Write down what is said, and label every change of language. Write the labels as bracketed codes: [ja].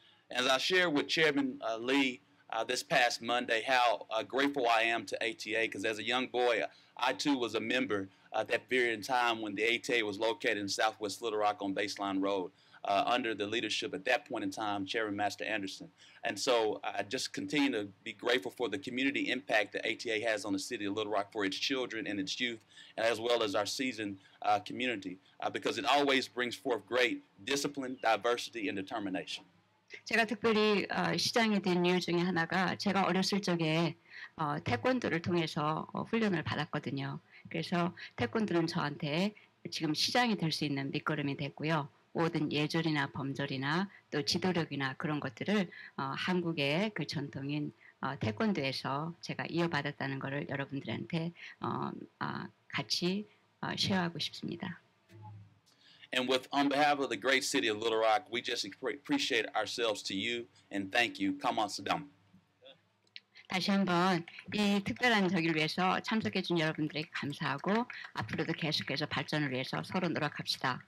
[en] As I shared with Chairman Lee this past Monday, how grateful I am to ATA, because as a young boy, I too was a member at that period in time when the ATA was located in Southwest Little Rock on Baseline Road under the leadership at that point in time, Chairman Master Anderson. And so I just continue to be grateful for the community impact that ATA has on the city of Little Rock for its children and its youth, as well as our seasoned community, because it always brings forth great discipline, diversity, and determination. [ko] 제가 특별히 시장이 된 이유 중에 하나가 제가 어렸을 적에 태권도를 통해서 훈련을 받았거든요. 그래서 태권도는 저한테 지금 시장이 될 수 있는 밑거름이 됐고요. 모든 예절이나 범절이나 또 지도력이나 그런 것들을 한국의 그 전통인 태권도에서 제가 이어받았다는 것을 여러분들한테 같이 쉐어하고 싶습니다. [en] And with, on behalf of the great city of Little Rock, we just appreciate ourselves to you and thank you. [ko] Kamal Sadam. 다시 한번 이 특별한 저기를 위해서 참석해준 여러분들에게 감사하고 앞으로도 계속해서 발전을 위해서 서로 노력합시다.